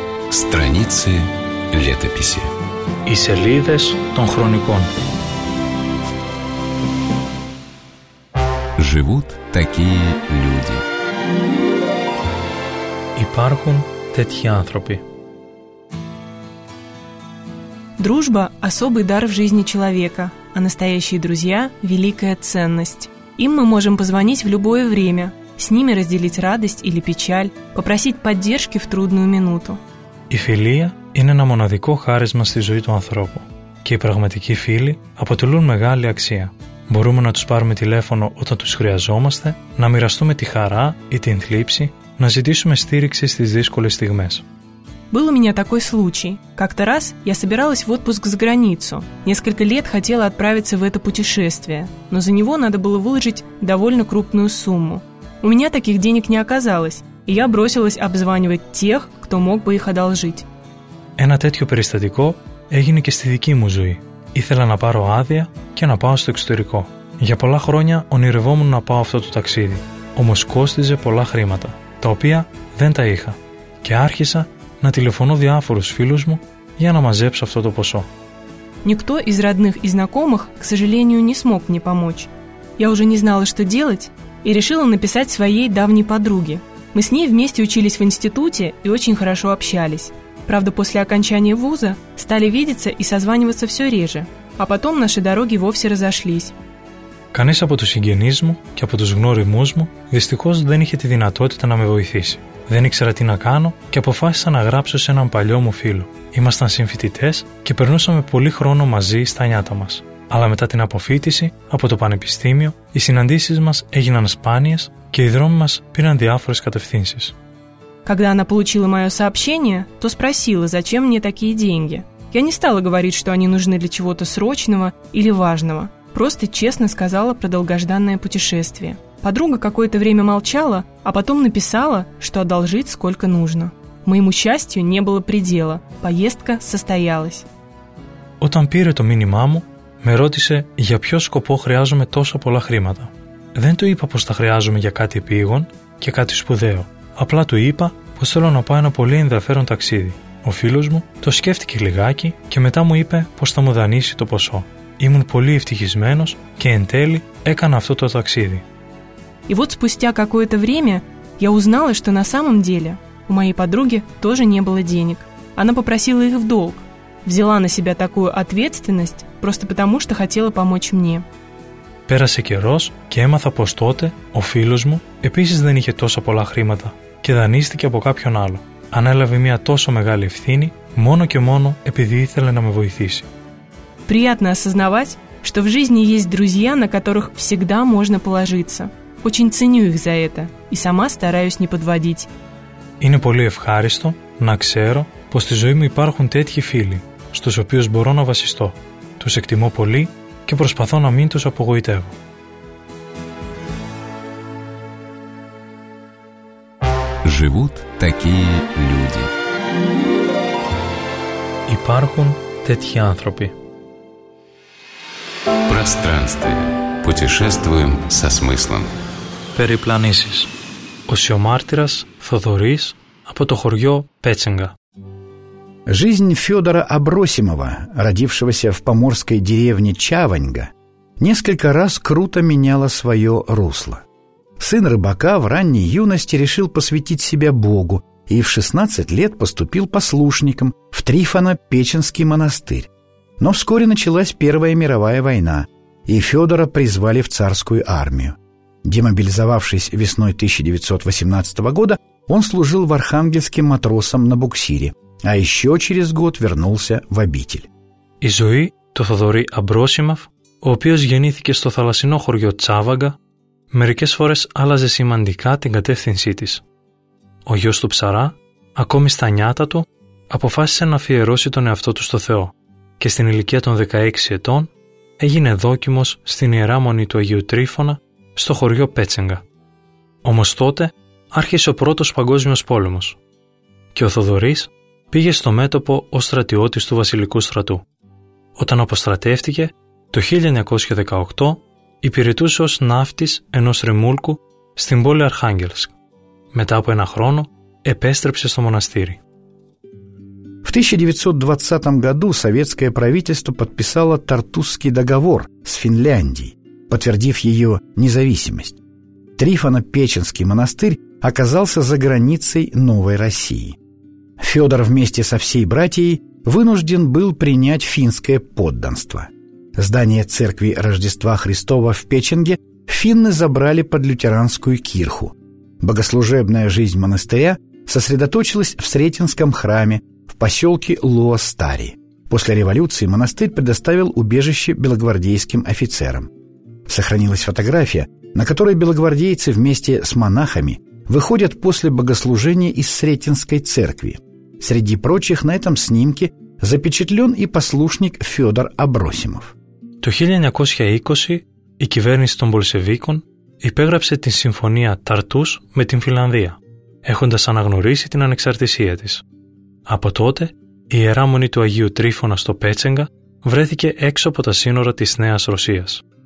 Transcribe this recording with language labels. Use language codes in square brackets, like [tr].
[ru] Страницы летописи. [el] Οι σελίδες των χρονικών. [ru] Живут такие люди. [el] Υπάρχουν τέτοιοι άνθρωποι. [ru] Дружба – особый дар в жизни человека, а настоящие друзья – великая ценность. Им мы можем позвонить в любое время, с ними разделить радость или печаль, попросить поддержки в трудную минуту. [el] Η φιλία είναι ένα μοναδικό χάρισμα στη ζωή του ανθρώπου και οι πραγματικοί φίλοι αποτελούν μεγάλη αξία. Μπορούμε να τους πάρουμε τηλέφωνο όταν τους χρειαζόμαστε, να μοιραστούμε τη χαρά ή την θλίψη, να ζητήσουμε στήριξη στις δύσκολες στιγμές. [ru] Был у меня такой случай. Как-то раз я собиралась в отпуск за границу. Несколько лет хотела отправиться в это путешествие, но за него надо было выложить довольно крупную сумму. У меня таких денег не оказалось, и я бросилась обзванивать тех, кто мог бы их одолжить. [el] Ένα τέτοιο περιστατικό έγινε και στη δική μου ζωή. Ήθελα να πάρω άδεια και να πάω στο εξωτερικό. Για πολλά χρόνια ονειρευόμουν να πάω αυτό το ταξίδι, όμως κόστιζε πολλά χρήματα, τα οποία δεν τα είχα. Και άρχισα να τηλεφωνώ διάφορους φίλους μου για να μαζέψω αυτό το ποσό. [ru] Никто из родных и знакомых, к сожалению, не смог мне помочь. Я уже не знала, что делать, и решила написать своей давней подруге. Мы с ней вместе учились в институте и очень хорошо общались. Правда, после окончания вуза стали видеться и созваниваться все реже, а потом наши дороги вовсе разошлись. [el] Κανείς από τους συγγενείς μου και από τους γνώριμούς μου δυστυχώς δεν είχε τη δυνατότητα να με βοηθήσει. Δεν ήξερα τι να κάνω και αποφάσισα να γράψω σε έναν παλιό μου φίλο. Ήμασταν συμφοιτητές και περνούσαμε πολύ χρόνο μαζί στα νιάτα μας. Αλλά μετά την αποφύτιση από το πανεπιστήμιο, οι συναντήσεις μας έγιναν σπάνιες και οι δρόμοι μας πήραν διάφορες κατευθύνσεις. [ru] Когда она получила мое сообщение, то спросила, зачем мне такие деньги. Я не стала говорить, что они нужны для чего-то срочного или важного. Просто честно сказала про долгожданное путешествие. Подруга какое-то время молчала, а потом написала, что одолжить сколько нужно. Моему счастью не было предела. Поездка состоялась. [el] Όταν πήρε το μήνυμά μου, με ρώτησε για ποιο σκοπό χρειάζομαι τόσο πολλά χρήματα. Δεν του είπα πως τα χρειάζομαι για κάτι επίγον και κάτι σπουδαίο. Απλά του είπα πως θέλω να πάω ένα πολύ ενδιαφέρον ταξίδι. Ο φίλος μου το σκέφτηκε λιγάκι και μετά μου είπε πως θα μου δανείσει το ποσό. Ήμουν πολύ ευτυχισμένος και εν τέλει έκανα αυτό το ταξίδι. [ru] И вот спустя какое-то время я узнала, что на самом деле у моей подруги тоже не было денег. Она попросила их в долг. Взяла на себя такую ответственность просто потому, что хотела помочь мне. [el] Πέρασε καιρός και έμαθα πως τότε ο φίλος μου επίσης δεν είχε τόσο πολλά χρήματα και δανείστηκε από κάποιον άλλο. Ανέλαβε μια τόσο μεγάλη ευθύνη μόνο και μόνο επειδή ήθελε να με βοηθήσει. [ru] Приятно осознавать, что в жизни есть друзья, на которых всегда можно положиться. Очень ценю их за это и сама стараюсь не подводить. [el] Είναι πολύ ευχάριστο να ξέρω πως στη ζωή μου υπάρχουν τέτοιοι φίλοι, στους οποίους μπορώ να βασιστώ. Τους εκτιμώ πολύ και προσπαθώ να μην τους απογοητεύω. [ru] Живут такие люди. [el] Υπάρχουν τέτοιοι άνθρωποι. [ru] Пространствие. Путешествуем со смыслом. [el] Περιπλανήσεις. Οσιομάρτυρας Θοδωρής από το χωριό Πέτσεγκα. [ru] Жизнь Федора Абросимова, родившегося в поморской деревне Чаваньга, несколько раз круто меняла свое русло. Сын рыбака в ранней юности решил посвятить себя Богу и в 16 лет поступил послушником в Трифоно-Печенский монастырь. Но вскоре началась Первая мировая война, и Федора призвали в царскую армию. Демобилизовавшись весной 1918 года, он служил в Архангельске матросом на буксире, а еще через год вернулся в обитель. [el] Η ζωή του Θοδωρή Αμπρόσιμαφ, ο οποίος γεννήθηκε στο θαλασσινό χωριό Τσάβαγκα, μερικές φορές άλλαζε σημαντικά την κατεύθυνσή της. Ο γιος του ψαρά, ακόμη στα νιάτα του, αποφάσισε να αφιερώσει τον εαυτό του στο Θεό και στην ηλικία των 16 ετών έγινε δόκιμος στην Ιερά Μονή του Αγίου Τρίφωνα στο χωριό Πέτσεγκα. Όμως τότε άρχισε ο Πρώτος Παγκόσμιος Πόλεμος και ο Θοδωρής πήγε στο μέτωπο ως στρατιώτης του Βασιλικού Στρατού. Όταν αποστρατεύτηκε, το 1918 υπηρετούσε ως ναύτης ενός ρεμούλκου στην πόλη Αρχάγγελσκ. Μετά από ένα χρόνο επέστρεψε στο μοναστήρι. [ru] В 1920 году советское правительство подписало Тартусский договор с Финляндией, подтвердив ее независимость. Трифоно-Печенский монастырь оказался за границей Новой России. Федор вместе со всей братьей вынужден был принять финское подданство. Здание церкви Рождества Христова в Печенге финны забрали под лютеранскую кирху. Богослужебная жизнь монастыря сосредоточилась в Сретенском храме, в поселке Луостари. После революции монастырь предоставил убежище белогвардейским офицерам. Сохранилась фотография, на которой белогвардейцы вместе с монахами выходят после богослужения из Сретенской церкви. Среди прочих на этом снимке запечатлен и послушник Федор Абросимов. [el] Το 1920 η κυβέρνηση των Μπολσεβίκων υπέγραψε την συμφωνία Ταρτούς με την Φιλανδία, έχοντας αναγνωρίσει την ανεξαρτησία της. Από τότε, η Ιερά Μονή του Αγίου Τρίφωνα στο Πέτσεγκα βρέθηκε έξω από τα σύνορα της Νέας Ρωσίας.